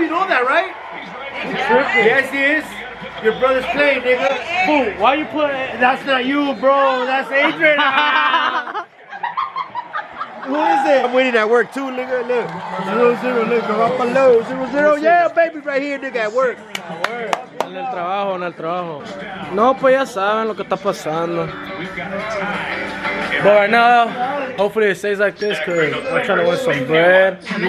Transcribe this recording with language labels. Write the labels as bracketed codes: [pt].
[en] You know that, right? Yeah. Yes, he is. Your brother's playing, nigga. Fool, why you put... That's not you, bro. That's Adrian. What is it? I'm winning at work too, nigga. Look. 0-0, nigga. Up below. 0-0. Yeah, baby, right here, nigga, at work. [es] En el trabajo, en el trabajo. No, pues ya saben lo que está pasando. [en] But right now, hopefully it stays like this, because I'm trying to win some bread.